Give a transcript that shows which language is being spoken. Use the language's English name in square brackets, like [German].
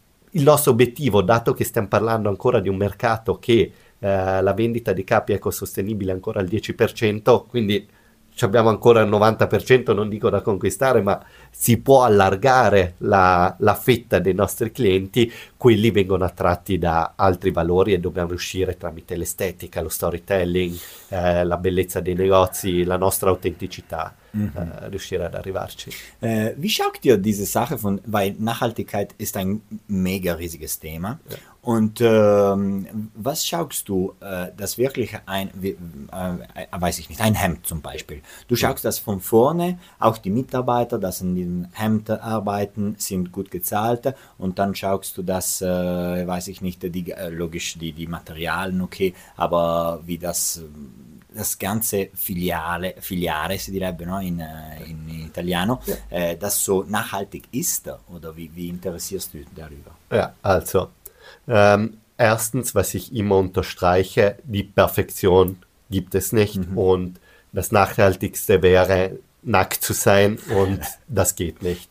[Italian] Il nostro obiettivo, dato che stiamo parlando ancora di un mercato che la vendita di capi ecosostenibile è ancora al 10%, quindi ci abbiamo ancora il 90%, non dico da conquistare, ma si può allargare la fetta dei nostri clienti, quelli vengono attratti da altri valori e dobbiamo riuscire tramite l'estetica, lo storytelling, la bellezza dei negozi, la nostra autenticità. Riuscire ad arrivarci. [German] Wie schaut ihr diese Sache von, weil Nachhaltigkeit ist ein mega riesiges Thema. Ja. Und was schaust du, das wirklich ein, weiß ich nicht, ein Hemd zum Beispiel. Du schaust das von vorne, auch die Mitarbeiter, das in den Hemd arbeiten, sind gut gezahlt. Und dann schaust du das, weiß ich nicht, die Materialien, okay, aber wie das... Das ganze Filiale [Italian] si direbbe, no? in italiano, ja. [German] Das so nachhaltig ist, oder wie interessierst du darüber? Ja, also, erstens, was ich immer unterstreiche, die Perfektion gibt es nicht und das Nachhaltigste wäre, nackt zu sein und das geht nicht.